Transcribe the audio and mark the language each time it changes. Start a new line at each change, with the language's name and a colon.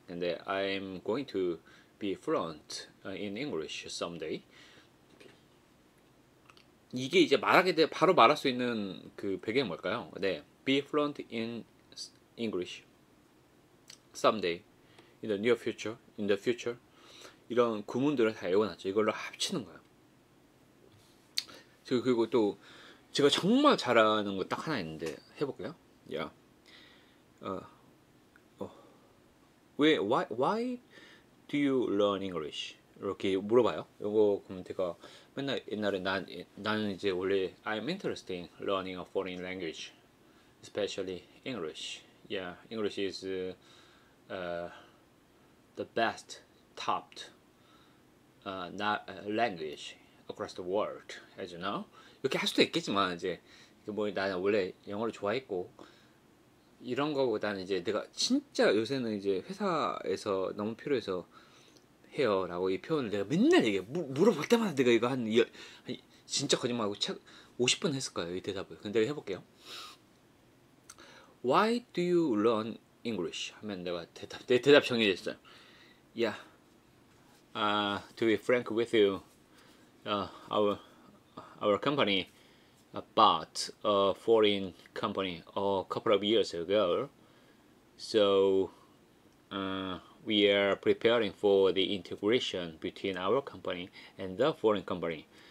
Korean: 근데
English: I'm going to be fluent in English someday.
Korean: 이게 이제 말하게 돼 바로 말할 수 있는 그 배경이 뭘까요?
English: 네, be fluent in English someday in the near future, in the future
Korean: 이런 구문들을 다 외워놨죠. 이걸로 합치는 거예요. 그리고 또 제가 정말 잘하는 거딱 하나 있는데 해볼게요. 야, 왜,
English: why do you learn English?
Korean: 이렇게 물어봐요. 이거 그럼 제가 맨날 옛날에 나는 이제 원래
English: I'm interested in learning a foreign language, especially English. Yeah, English is the best topped language across the world, as you know.
Korean: 이렇게 할 수도 있겠지만 이제 뭐 나는 원래 영어를 좋아했고. 이런 거보다는 이제 내가 진짜 요새는 이제 회사에서 너무 필요해서 해요라고 이 표현을 내가 맨날 얘기해. 물어볼 때마다 내가 이거 한 진짜 거짓말하고 책 50번 했을 거예요, 이 대답을. 근데 해볼게요.
English: Why do you learn English?
Korean: 하면 내가 대답 내 대답 정해졌어요.
English: Yeah, to be frank with you, our company bought a foreign company a couple of years ago. So, we are preparing for the integration between our company and the foreign company.